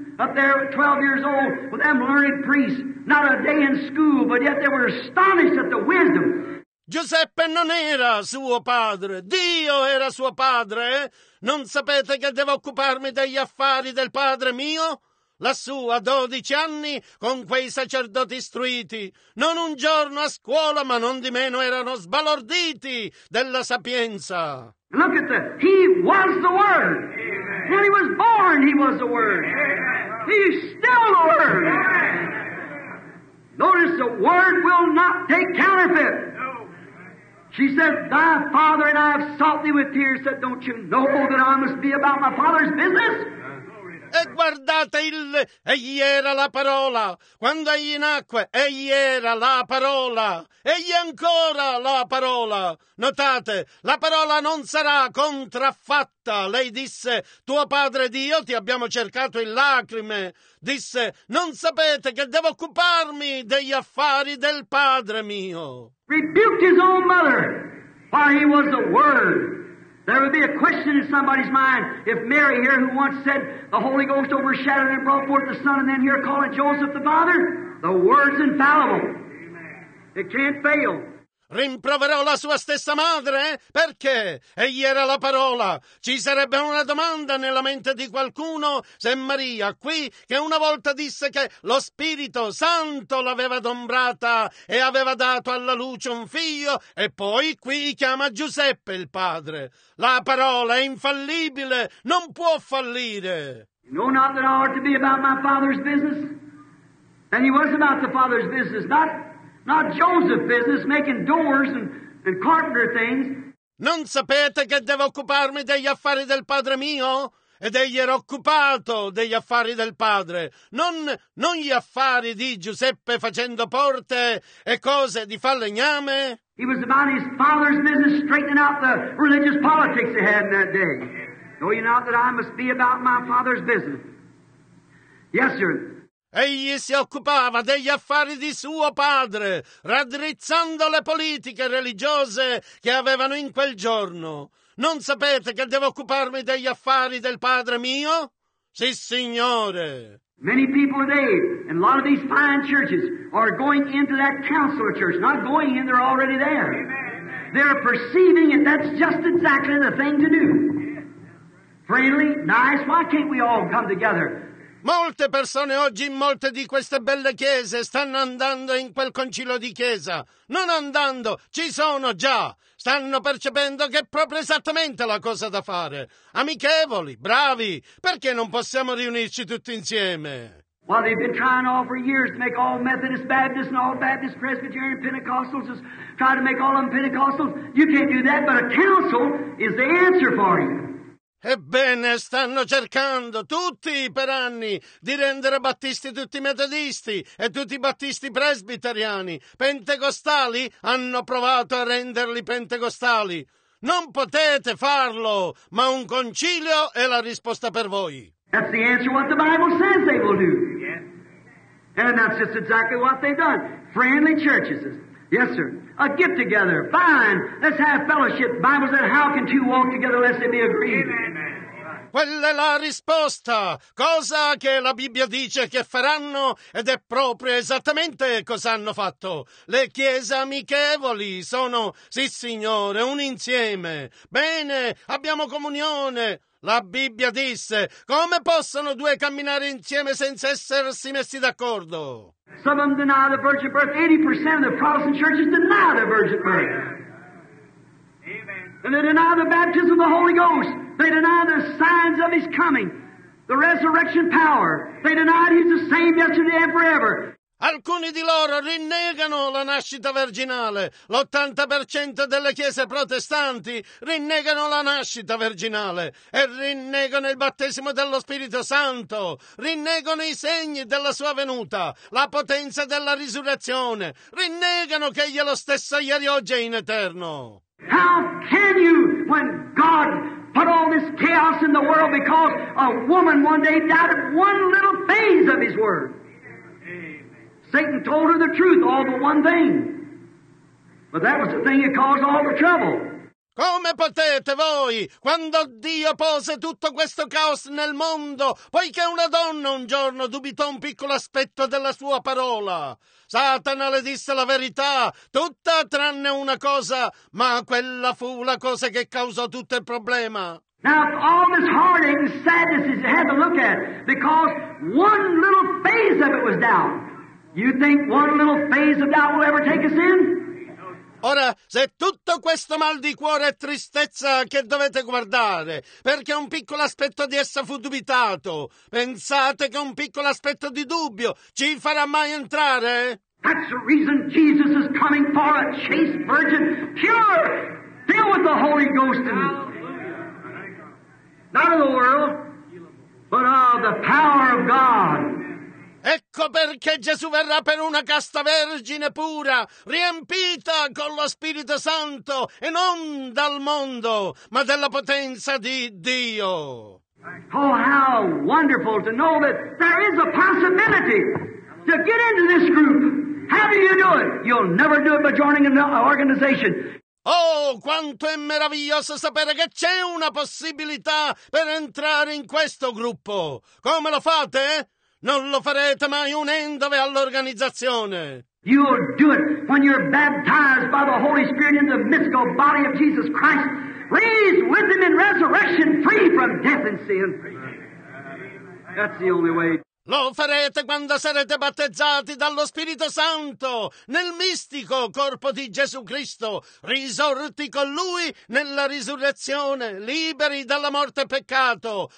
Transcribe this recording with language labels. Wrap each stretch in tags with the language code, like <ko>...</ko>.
<en>Up there at 12 years old with them learned priests, not a day in school, but yet they were astonished at the wisdom.</en> <it>Giuseppe non era suo padre, Dio era suo padre. Non sapete che devo occuparmi degli affari del padre mio? Lassù a 12 anni con quei sacerdoti istruiti, non un giorno a scuola, ma non di meno erano sbalorditi della sapienza.</it> <en>Look at the, he was the Word. Amen. When he was born, he was the Word. Amen. He's still the Word. Amen. Notice the Word will not take counterfeit. She said, thy father and I have sought thee with tears, said, don't you know that I must be about my father's business?</en> <it>E guardate, egli era la parola. Quando egli nacque, egli era la parola. Egli ancora la parola. Notate, la parola non sarà contraffatta. Lei disse, tuo padre Dio, ti abbiamo cercato in lacrime. Disse, non sapete che devo occuparmi degli affari del padre mio.</it> <en>Rebuked his own mother, while he was the Word. There would be a question in somebody's mind if Mary here, who once said the Holy Ghost overshadowed and brought forth the Son, and then here calling Joseph the Father, the Word's infallible. It can't fail.</en> <it>Rimproverò la sua stessa madre? Perché? Egli era la parola. Ci sarebbe una domanda nella mente di qualcuno se Maria, qui, che una volta disse che lo Spirito Santo l'aveva adombrata e aveva dato alla luce un figlio, e poi qui chiama Giuseppe il padre. La parola è infallibile, non può fallire.</it> <en>No, not that I ought to be about my father's business. And he was about the father's business, not... not Joseph's business, making doors and carpenter things.</en> <it>Non sapete che devo occuparmi degli affari del padre mio? Ed egli era occupato degli affari del padre. Non gli affari di Giuseppe facendo porte e cose di falegname.</it> <en>He was about his father's business, straightening out the religious politics he had in that day. Know you not that I must be about my father's business? Yes, sir.</en> <it>Egli si occupava degli affari di suo padre, raddrizzando le politiche religiose che avevano in quel giorno. Non sapete che devo occuparmi degli affari del padre mio? Sì, signore.</it> <en>Many people today, and a lot of these fine churches, are going into that council of church. Not going in, they're already there. Amen. They're perceiving it. That's just exactly the thing to do. Friendly, nice, why can't we all come together?</en> <it>Molte persone oggi in molte di queste belle chiese stanno andando in quel concilio di chiesa. Non andando, ci sono già. Stanno percependo che è proprio esattamente la cosa da fare. Amichevoli, bravi, perché non possiamo riunirci tutti insieme?</it> <en>Well, they've been trying all for years to make all Methodist, Baptist, and all Baptist, Presbyterian, Pentecostals, just try to make all of them Pentecostals. You can't do that, but a council is the answer for you.</en> <it>Ebbene, stanno cercando tutti per anni di rendere battisti tutti metodisti e tutti battisti presbiteriani. Pentecostali hanno provato a renderli pentecostali. Non potete farlo, ma un concilio è la risposta per voi.</it> <en>That's the answer what the Bible says they will do. Yes. And that's just exactly what they've done. Friendly churches. Yes, sir. A get together. Fine. Let's have fellowship. The Bible says, how can two walk together unless they be agreed? Amen.</en> <it>Quella è la risposta, cosa che la Bibbia dice che faranno, ed è proprio esattamente cosa hanno fatto. Le chiese amichevoli sono, sì signore, un insieme. Bene, abbiamo comunione. La Bibbia disse, come possono due camminare insieme senza essersi messi d'accordo?</it> <en>Some of them deny the virgin birth. 80% of the Protestant churches deny the virgin birth. Amen. And they deny the baptism of the Holy Ghost. They deny the signs of His coming, the resurrection power. They deny He's the same yesterday and forever.</en> <it>Alcuni di loro rinnegano la nascita virginale. L'80% delle chiese protestanti rinnegano la nascita virginale e rinnegano il battesimo dello Spirito Santo. Rinnegano i segni della sua venuta, la potenza della risurrezione. Rinnegano che Egli è lo stesso ieri, oggi e in eterno.</it> <en>How can you when God put all this chaos in the world because a woman one day doubted one little phase of His word? Satan told her the truth, all but one thing. But that was the thing that caused all the trouble.</en> <it>Come potete voi, quando Dio pose tutto questo caos nel mondo, poiché una donna un giorno dubitò un piccolo aspetto della sua parola? Satana le disse la verità, tutta tranne una cosa, ma quella fu la cosa che causò tutto il problema.</it> <en>Now, all this heartache and sadness is had to look at, because one little phase of it was down. You think one little phase of doubt will ever take us in?</en> <it>Ora, se tutto questo mal di cuore e tristezza che dovete guardare, perché un piccolo aspetto di essa fu dubitato, pensate che un piccolo aspetto di dubbio ci farà mai entrare?</it> <en>That's the reason Jesus is coming for a chaste virgin, pure, filled with the Holy Ghost. Not of the world, but of the power of God.</en> <it>Ecco perché Gesù verrà per una casta vergine pura, riempita con lo Spirito Santo, e non dal mondo, ma della potenza di Dio.</it> <en>Oh, how wonderful to know that there is a possibility to get into this group. How do you do it? You'll never do it by joining an organization.</en> <it>Oh, quanto è meraviglioso sapere che c'è una possibilità per entrare in questo gruppo. Come lo fate? Non lo farete mai unendovi all'organizzazione.</it> <en>You'll do it when you're baptized by the Holy Spirit in the mystical body of Jesus Christ, raised with Him in resurrection, free from death and sin. That's the only way.</en> <it>Lo farete quando sarete battezzati dallo Spirito Santo, nel mistico corpo di Gesù Cristo, risorti con Lui nella risurrezione, liberi dalla morte e peccato.</it>